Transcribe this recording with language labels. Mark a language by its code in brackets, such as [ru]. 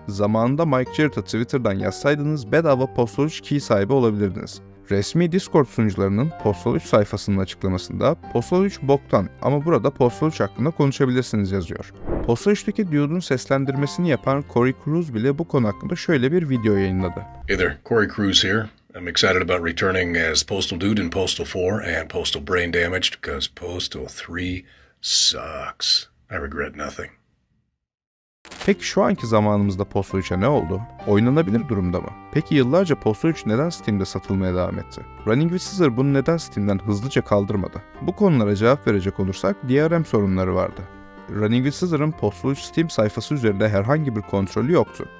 [tr] Zamanında Mike Jarrett'a Twitter'dan yazsaydınız bedava Postal 3 key sahibi olabilirdiniz. Resmi Discord sunucularının Postal 3 sayfasının açıklamasında Postal 3 boktan ama burada Postal 3 hakkında konuşabilirsiniz yazıyor. Postal 3'teki Dude'un seslendirmesini yapan Corey Cruz bile bu konu hakkında şöyle bir video yayınladı. [en] Hey there, Corey Cruz here. I'm excited about returning as Postal Dude in Postal 4 and Postal Brain Damaged because Postal 3 sucks. I regret nothing. [tr] Peki şu anki zamanımızda Postal 3'e ne oldu? Oynanabilir durumda mı? Peki yıllarca Postal 3 neden Steam'de satılmaya devam etti? Running with Scissor bunu neden Steam'den hızlıca kaldırmadı? Bu konulara cevap verecek olursak DRM sorunları vardı. Running with Scissor'ın Postal 3 Steam sayfası üzerinde herhangi bir kontrolü yoktu.